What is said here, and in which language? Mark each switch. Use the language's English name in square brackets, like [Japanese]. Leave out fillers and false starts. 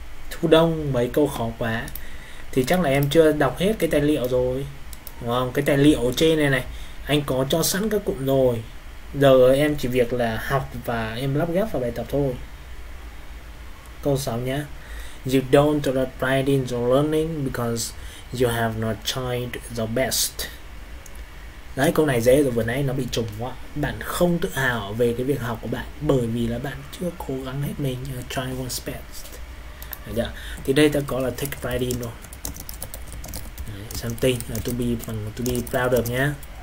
[Vietnamese] Thu đông mấy câu khó quá thì chắc là em chưa đọc hết cái tài liệu rồi đúng không? Cái tài liệu trên này này anh có cho sẵn các cụm rồi, giờ em chỉ việc là học và em lắp ghép vào bài tập thôi. Câu 6 nhé. [English] You don't do the pride in your learning because you have not tried the best. [Vietnamese] Đấy, câu này dễ rồi, vừa nãy nó bị trùng quá. Bạn không tự hào về cái việc học của bạn bởi vì là bạn chưa cố gắng hết mình, try one's best. Dạ. Thì đây ta có là take pride in rồi. Xem tên là to be, bằng to be proud of nhá.